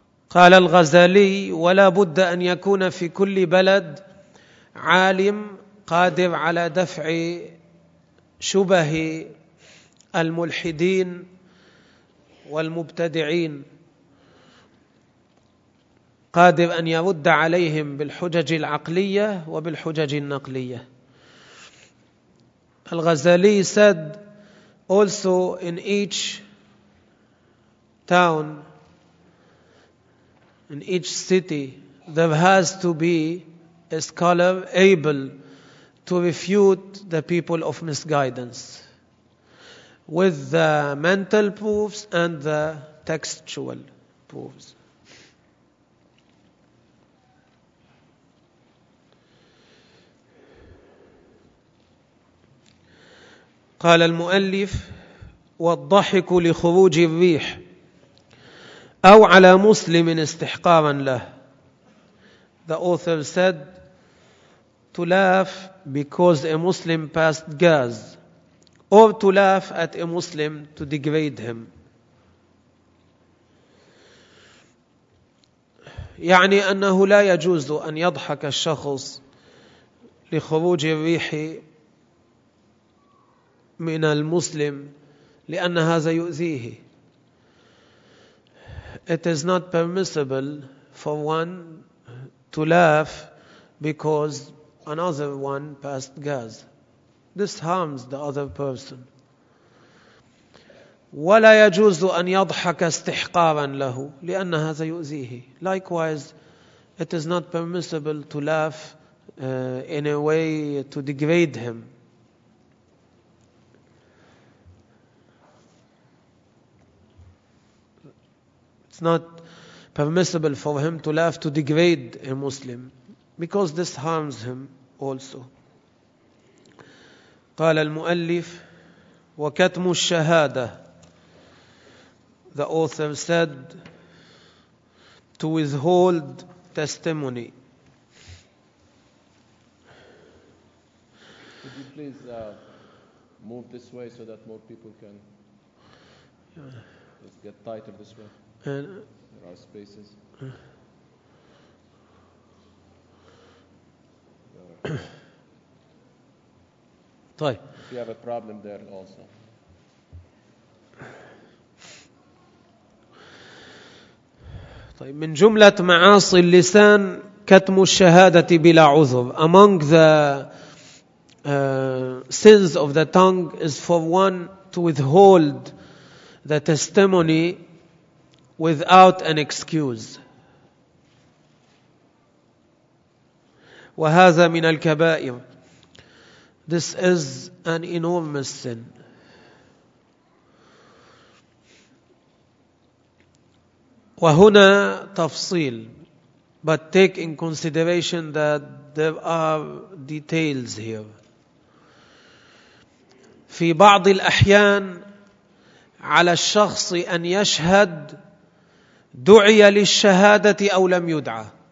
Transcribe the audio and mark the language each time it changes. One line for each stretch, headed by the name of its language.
Arabic: قال الغزالي ولا بد أن يكون في كل بلد عالم قادر على دفع شبه الملحدين والمبتدعين قادر أن يرد عليهم بالحجج العقلية وبالحجج النقلية.
English: الغزالي said also in each town, in each city, there has to be a scholar able to refute the people of misguidance with the mental proofs and the textual proofs.
Arabic: قال المؤلف والضحك لخروج الريح أو على مسلم استحقارا له.
English: The author said to laugh because a Muslim passed gas, or to laugh at a Muslim to degrade him.
Arabic: يعني أنه لا يجوز أن يضحك الشخص لخروج الريح من المسلم لأن هذا يؤذيه.
English: It is not permissible for one to laugh because another one passed gas. This harms the other person.
Arabic: ولا يجوز أن يضحك استحقارا له لأن هذا يؤذيه.
English: Likewise, it is not permissible to laugh in a way to degrade him. It's not permissible for him to laugh to degrade a Muslim, because this harms him also. قال المؤلف وكتم الشهادة. The author said to withhold testimony. Could you please move this way so that more people can... Yeah. Let's get tighter this way. And there are spaces. If you have a problem there also.
Arabic: طيب من جملة معاصي اللسان كتم الشهادة بلا عذر.
English: Among the sins of the tongue is for one to withhold the testimony without an excuse.
Arabic: وهذا من الكبائر.
English: This is an enormous sin.
Arabic: وهنا تفصيل.
English: But take in consideration that there are details here.
Arabic: في بعض الأحيان على الشخص أن يشهد دعي للشهادة أو لم يدعى.